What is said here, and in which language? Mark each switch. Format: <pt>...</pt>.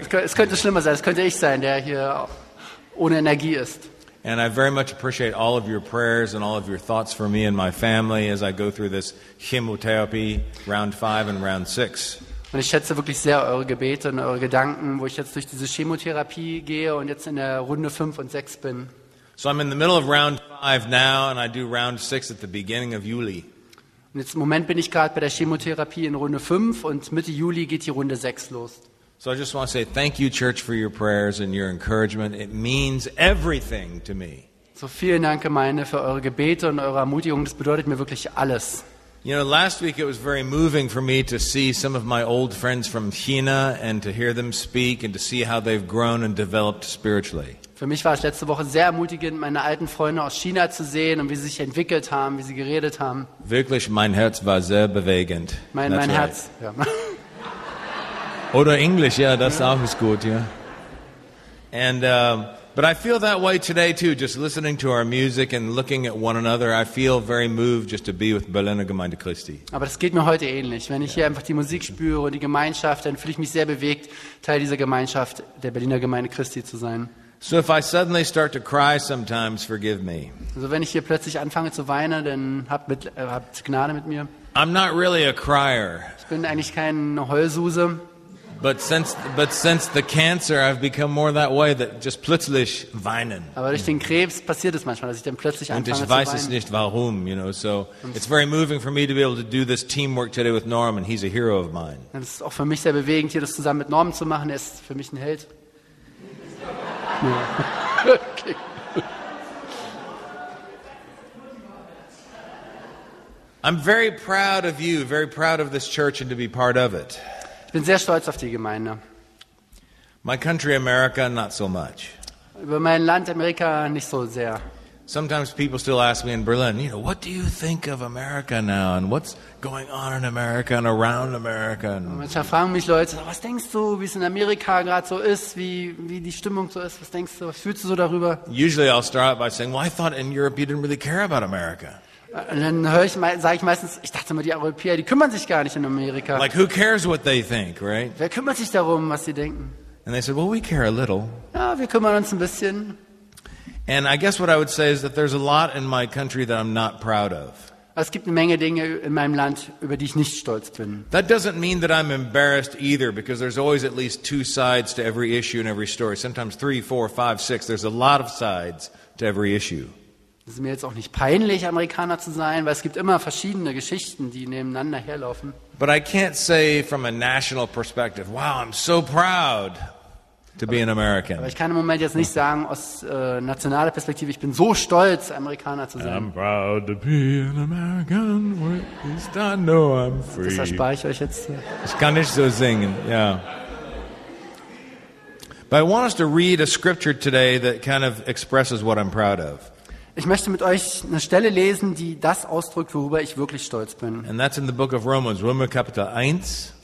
<de>Es könnte schlimmer sein. Es könnte ich sein, der hier ohne Energie ist.</de> <en>And I very much appreciate all of your prayers and all of your thoughts for me and my family as I go through this chemotherapy round 5 and round 6.</en> <de>Und ich schätze wirklich sehr eure Gebete und eure Gedanken, wo ich jetzt durch diese Chemotherapie gehe und jetzt in der Runde 5 und 6 bin.</de> <en>So I'm in the middle of round 5 now and I do round 6 at the beginning of July.</en> <de>Und jetzt im Moment bin ich gerade bei der Chemotherapie in Runde 5 und Mitte Juli geht die Runde 6 los.</de> <en>So I just want to say thank you, church, for your prayers and your encouragement. It means everything to me.</en> <de>So vielen Dank, Gemeinde, für eure Gebete und eure Ermutigung. Das bedeutet mir wirklich alles.</de> <en>You know, last week it was very moving for me to see some of my old friends from China and to hear them speak and to see how they've grown and developed spiritually.</en> <de>Für mich war es letzte Woche sehr ermutigend, meine alten Freunde aus China zu sehen und wie sie sich entwickelt haben, wie sie geredet haben. Wirklich, mein Herz war sehr bewegend. Mein Herz, ja. Oder Englisch, ja, das auch ist gut, ja.</de> <en>And but I feel that way today too, just listening to our music and looking at one another. I feel very moved just to be with Berliner Gemeinde Christi.</en> <de>Aber das geht mir heute ähnlich. Wenn ich hier einfach die Musik spüre und die Gemeinschaft, dann fühle ich mich sehr bewegt, Teil dieser Gemeinschaft der Berliner Gemeinde Christi zu sein.</de> <en>So if I suddenly start to cry sometimes, forgive me.</en> <de>Also wenn ich hier plötzlich anfange zu weinen, dann habt Gnade mit mir.</de> <en>I'm not really a crier.</en> <de>Ich bin eigentlich kein Heulsuse.</de> <en>But since the cancer, I've become more that way, that just</en> <de>plötzlich weinen. Aber durch den Krebs passiert es manchmal, dass ich dann plötzlich anfange zu weinen. Und ich weiß es nicht warum,</de> <en>you know. So it's very moving for me to be able to do this teamwork today with Norm, and he's a hero of mine.</en> <de>Es ist auch für mich sehr bewegend, hier das zusammen mit Norm zu machen. Er ist für mich ein Held.</de> <en>Okay. I'm very proud of you, very proud of this church, and to be part of it.</en> <de>Ich bin sehr stolz auf die Gemeinde.</de> <en>My country, America, not so much.</en> <de>Über mein Land Amerika nicht so sehr.</de> <en>Sometimes people still ask me in Berlin, you know, what do you think of America now and what's going on in America and around America?</en> <de>Manchmal fragen mich Leute, was denkst du, wie es in Amerika gerade so ist, wie die Stimmung so ist, was denkst du, was fühlst du so darüber?</de> <en>Usually I'll start by saying, well, I thought in Europe you didn't really care about America.</en> <de>Und dann sage ich meistens, ich dachte immer, die Europäer, die kümmern sich gar nicht in Amerika.</de> <en>Like, who cares what they think, right?</en> <de>Wer kümmert sich darum, was sie denken?</de> <en>And they said, well, we care a little.</en> <de>Ja, wir kümmern uns ein bisschen.</de> <en>And I guess what I would say is that there's a lot in my country that I'm not proud of.</en> <de>Es gibt eine Menge Dinge in meinem Land, über die ich nicht stolz bin.</de> <en>That doesn't mean that I'm embarrassed either, because there's always at least two sides to every issue and every story. Sometimes 3, 4, 5, 6, there's a lot of sides to every issue.</en> <de>Es ist mir jetzt auch nicht peinlich, Amerikaner zu sein, weil es gibt immer verschiedene Geschichten, die nebeneinander herlaufen.</de> <en>But I can't say from a national perspective, wow, I'm so proud to be an American.</en> <de>Aber ich kann im Moment jetzt nicht sagen, aus nationaler Perspektive, ich bin so stolz, Amerikaner zu sein.</de> <en>I'm proud to be an American, where at least I know I'm free.</en> <de>Das erspare ich euch jetzt. Ich kann nicht so singen, ja.</de> <en>Yeah. But I want us to read a scripture today that kind of expresses what I'm proud of.</en> <de>Ich möchte mit euch eine Stelle lesen, die das ausdrückt, worüber ich wirklich stolz bin.</de> <en>And that's in the book of Romans,</en> <de>Römer Kapitel 1.</de>